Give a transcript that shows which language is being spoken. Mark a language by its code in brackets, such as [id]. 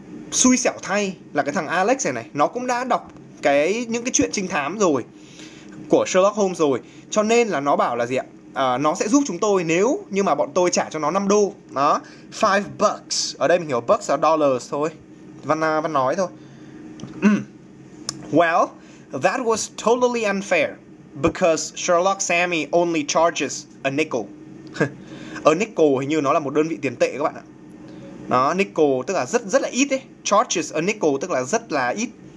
[vi] Xui xẻo thay là cái thằng Alex này này, nó cũng đã đọc những cái chuyện trinh thám rồi của Sherlock Holmes rồi, cho nên là nó bảo là gì ạ? Nó sẽ giúp chúng tôi nếu như mà bọn tôi trả cho nó $5. Đó, $5. Ở đây mình hiểu bucks là dollars thôi. Văn nói thôi. [en] Well, that was totally unfair because Sherlock Sammy only charges a nickel. [vi] A nickel hình như nó là một đơn vị tiền tệ các bạn ạ. Đó, nickel tức là rất rất là ít ấy. [en] Charges a nickel [vi] tức là rất là ít.